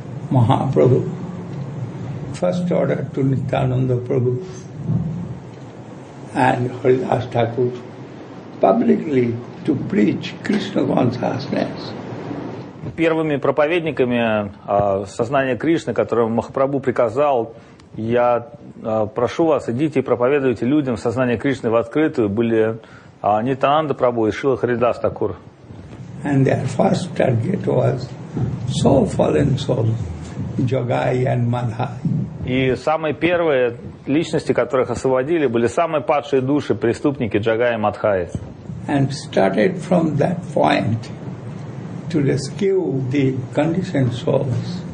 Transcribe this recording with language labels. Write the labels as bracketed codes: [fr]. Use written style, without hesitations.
[en] Махапрабху. First order to Nityananda Prabhu and Haridas Thakur publicly to preach Krishna consciousness. [ru] Первыми проповедниками сознания Кришны, которым Махапрабху приказал, я прошу вас, идите и проповедуйте людям сознание Кришны в открытую, были Нитянанда Прабху и Шрила Харидас Такур. [en] And their first target was soul fallen soul, Jagai and Madhai. [ru] И самые первые личности, которых освободили, были самые падшие души, преступники Джагай и Мадхай. [en] And started from that point to rescue the conditioned souls.